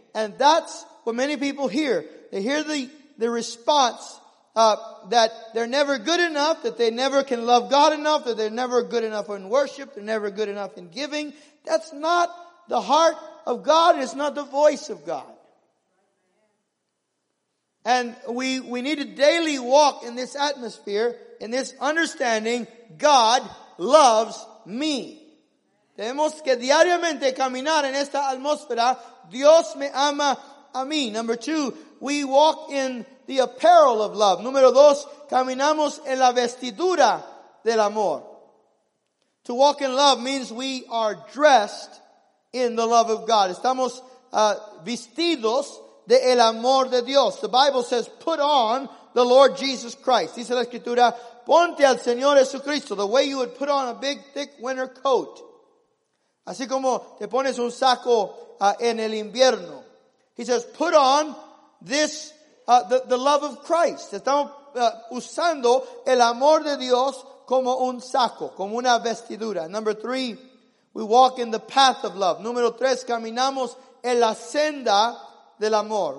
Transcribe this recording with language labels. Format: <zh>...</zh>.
<en>And that's what many people hear. They hear the response that they're never good enough, that they never can love God enough, that they're never good enough in worship, they're never good enough in giving. That's not the heart of God, and it's not the voice of God. And we need to daily walk in this atmosphere, in this understanding, God loves me.</en> <es>Tenemos que diariamente caminar en esta atmósfera, Dios me ama a mí.</es> <en>Number two, we walk in the apparel of love.</en> <es>Número dos, caminamos en la vestidura del amor.</es> <en>To walk in love means we are dressed in the love of God.</en> <es>Estamos vestidos de el amor de Dios.</es> <en>The Bible says, put on the Lord Jesus Christ.</en> <es>Dice la Escritura, ponte al Señor Jesucristo.</es> <en>The way you would put on a big, thick winter coat.</en> <es>Así como te pones un saco en el invierno.</es> <en>He says, put on this the love of Christ.</en> <es>Estamos usando el amor de Dios como un saco, como una vestidura.</es> <en>Number three, we walk in the path of love.</en> <es>Número tres, caminamos en la senda del amor.</es>